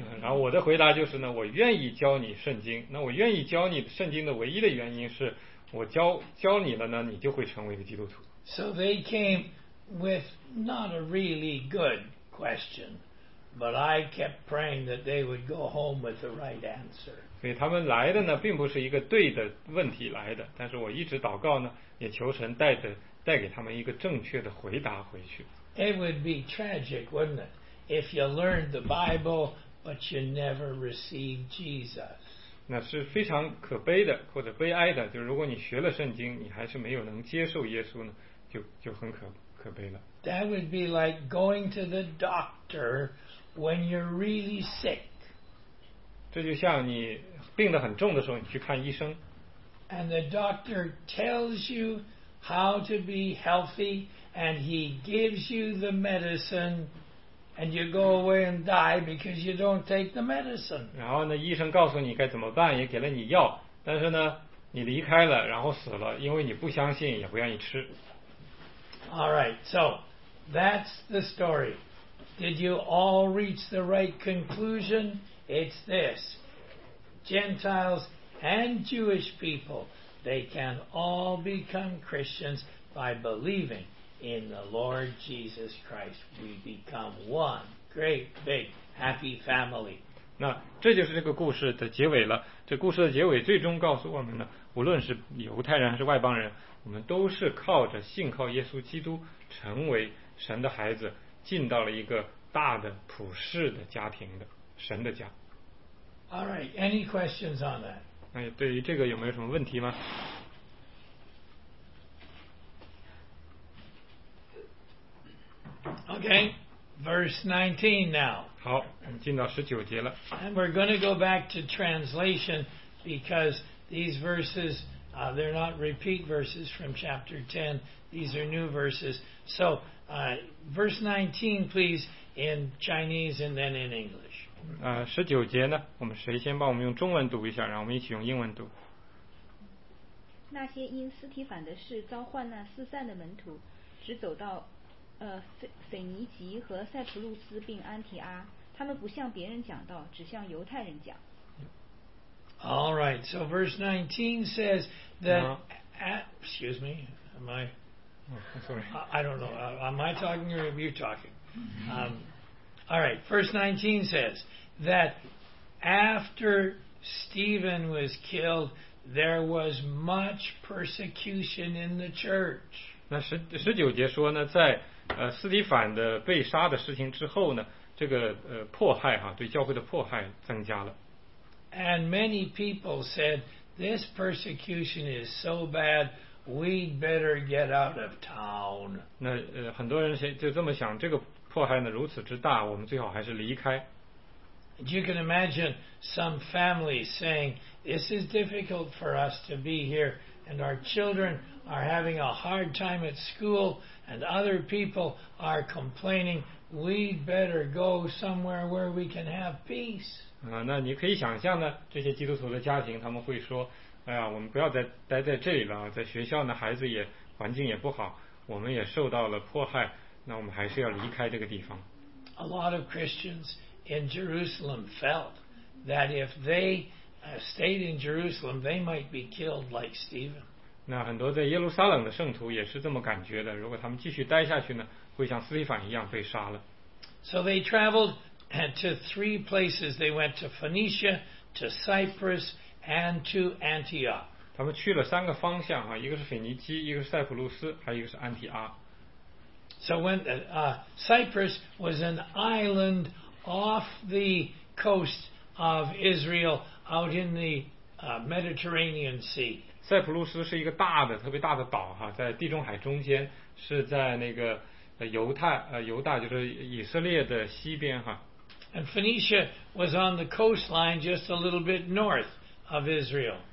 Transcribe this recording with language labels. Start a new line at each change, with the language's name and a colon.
Chinese: 然后我的回答就是呢，我愿意教你圣经。那我愿意教你圣经的唯一的原因是，我教你了呢，你就会成为一个基督徒。
English: So they came with not a really good question, but I kept praying that they would go home with the right answer.
Chinese: 所以他们来的呢，并不是一个对的问题来的，但是我一直祷告呢，也求神带给他们一个正确的回答回去。
English: It would be tragic, wouldn't it, if you learned the Bible but you never received Jesus?
Chinese: 那是非常可悲的或者悲哀的，就是如果你学了圣经，你还是没有能接受耶稣呢，就很可悲了。
English: That would be like going to the doctor when you're really sick.
Chinese: 这就像你病得很重的时候，你去看医生。
English: And the doctor tells you how to be healthy, and he gives you the medicine, and you go away and die because you don't take the medicine.
Chinese: 然后呢，医生告诉你该怎么办，也给了你药，但是呢，你离开了，然后死了，因为你不相信，也不愿意吃。
English: All right, so that's the story. Did you all reach the right conclusion? It's this: Gentiles and Jewish people, they can all become Christians by believing in the Lord Jesus Christ. We become one great, big, happy family.
Chinese: 那这就是这个故事的结尾了。这故事的结尾最终告诉我们呢，无论是犹太人还是外邦人，我们都是靠着信靠耶稣基督，成为神的孩子，进到了一个大的普世的家庭的神的家。
English: All right, any questions on that?
Chinese: 哎，对于这个有没有什么问题吗？
English: Okay, verse 19 now.
Chinese: 好，进到十九节了。
English: And we're going to go back to translation because these verses, they're not repeat verses from chapter 10. These are new verses. So, verse 19, please, in Chinese and then in English.
Chinese: 十九节呢，我们谁先帮我们用中文读一下，然后我们一起用英文读。那些因斯提反的事遭患难四散的门徒，只走到腓尼基和塞浦路斯并安提阿，他们不向别人讲道，只向犹太人讲。
English: All right, so verse 19 says that. Excuse me, am I? Sorry. I don't know. Am I talking or are you talking? All right, verse 19 says that after Stephen was killed, there was much persecution in the church.
Chinese: 那十九节说呢，在斯提反的被杀的事情之后呢，这个迫害哈，对教会的迫害增加了。
English: And many people said this persecution is so bad, we'd better get out of town.
Chinese: 那很多人就这么想，这个迫害呢如此之大，我们最好还是离开。
English: You can imagine some families saying, "This is difficult for us to be here, and our children are having a hard time at school, and other people are complaining. We'd better go somewhere where we can have peace."
Chinese: 那你可以想象呢，这些基督徒的家庭他们会说，哎呀，我们不要再待在这里了，在学校呢，孩子也环境也不好，我们也受到了迫害。那我们还是要离开这个地方。
English: A lot of Christians in Jerusalem felt that if they stayed in Jerusalem, they might be killed like Stephen.
Chinese: 那很多在耶路撒冷的圣徒也是这么感觉的，如果他们继续待下去呢，会像斯提凡一样被杀了。
English: So they traveled to three places. They went to Phoenicia, to Cyprus, and to Antioch.
Chinese: 他们去了三个方向，一个是腓尼基，一个是塞浦路斯，还有一个是安提阿。
English: So when Cyprus was an island off the coast of Israel, out in the Mediterranean Sea.
Chinese: 塞浦路斯是一个大的、特别大的岛哈，在地中海中间，是在那个犹大就是以色列的西边哈。
English: And Phoenicia was on the coastline, just a little bit north of Israel.